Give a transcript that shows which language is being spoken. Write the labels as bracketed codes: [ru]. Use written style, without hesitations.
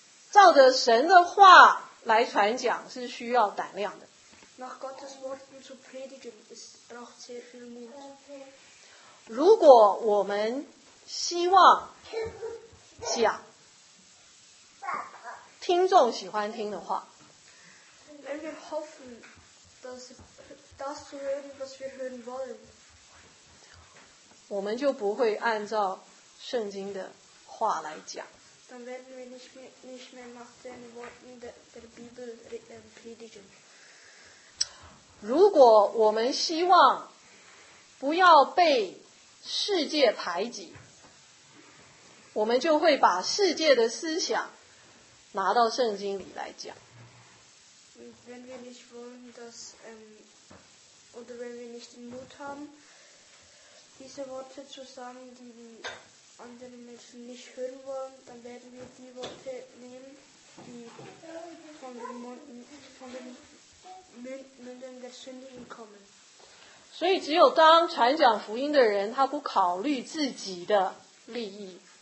[zh] 照着神的话来传讲是需要胆量的。 [de] Nach Gottes Worten zu predigen, es braucht sehr viel Mut. [zh] 如果我们希望讲听众喜欢听的话， [de] Wenn wir hoffen, dass das zu hören, was wir hören wollen, [zh] 我们就不会按照圣经的话来讲。 [de] Dann werden wir nicht mehr nach den Worten der Bibel predigen. [zh] 如果我们希望不要被世界排挤，我们就会把世界的思想拿到圣经里来讲。 [de] Wenn wir nicht wollen, dass, oder wenn wir nicht den Mut haben, diese Worte zu sagen, die die anderen Menschen nicht hören wollen, dann werden wir die Worte nehmen, die von den Münden der Sündigen kommen. [zh] 所以只有当传讲福音的人他不考虑自己的利益，